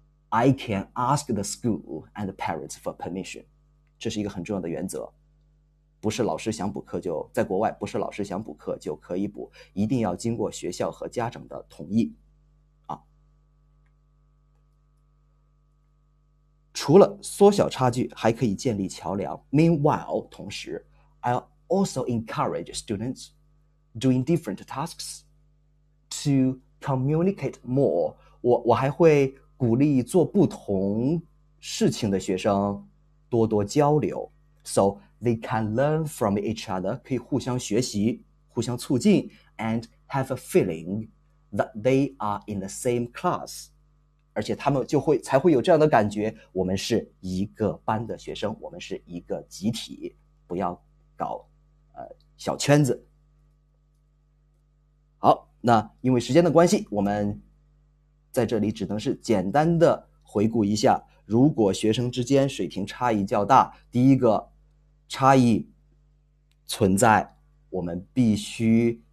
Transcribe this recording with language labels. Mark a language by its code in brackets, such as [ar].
[en] I can ask the school and the parents for permission， [zh] 这是一个很重要的原则。不是老师想补课就，在国外不是老师想补课就可以补，一定要经过学校和家长的同意。除了缩小差距，还可以建立桥梁。 [en] Meanwhile， [zh] 同时， [en] I'll also encourage students doing different tasks to communicate more [zh] 我还会鼓励做不同事情的学生多多交流， [en] so they can learn from each other， [zh] 可以互相学习，互相促进， [en] and have a feeling that they are in the same class。 [zh] 而且他们才会有这样的感觉，我们是一个班的学生，我们是一个集体，不要搞小圈子。好，那因为时间的关系，我们在这里只能是简单的回顾一下，如果学生之间水平差异较大，第一个差异存在，我们必须。